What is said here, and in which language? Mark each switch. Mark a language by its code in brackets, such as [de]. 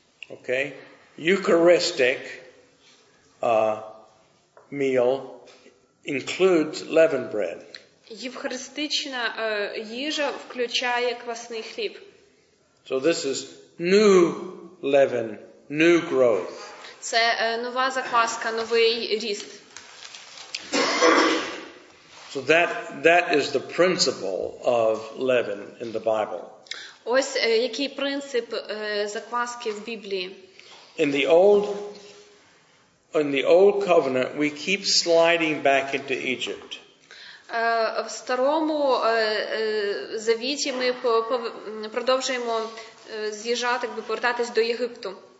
[en] Okay. Eucharistic meal includes leavened bread. [uk] Євхаристична їжа включає квасний хліб. [en] So this is new leaven, new growth. [uk] Це нова закваска, новий ріст. [en] So that is the principle of leaven in the Bible. [uk] Ось який принцип закваски в Біблії. [en] In the old covenant we keep sliding back into Egypt. [uk] В старому завіті ми продовжуємо з'їжджати, якби повертатись до Єгипту.